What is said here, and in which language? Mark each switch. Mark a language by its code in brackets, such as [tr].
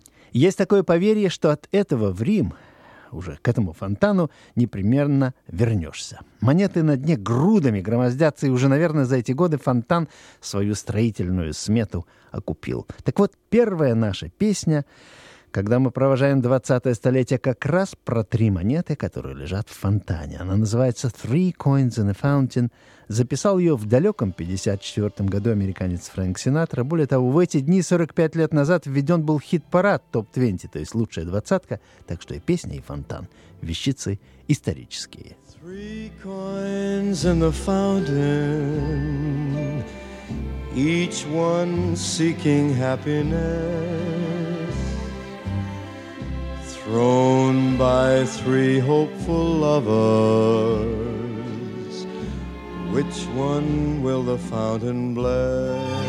[ru] Есть такое поверье, что от этого в Рим, уже к этому фонтану, непременно вернешься. Монеты на дне грудами громоздятся, и уже, наверное, за эти годы фонтан свою строительную смету окупил. Так вот, первая наша песня, когда мы провожаем 20-е столетие, как раз про три монеты, которые лежат в фонтане. Она называется «Three Coins in a Fountain». Записал ее в далеком 54-м году американец Фрэнк Синатра. Более того, в эти дни, 45 лет назад, введен был хит-парад топ-20, то есть лучшая двадцатка. Так что и песня, и фонтан – вещицы исторические. [en] Three coins in the fountain, each one seeking happiness, thrown by three hopeful lovers, which one will the fountain bless?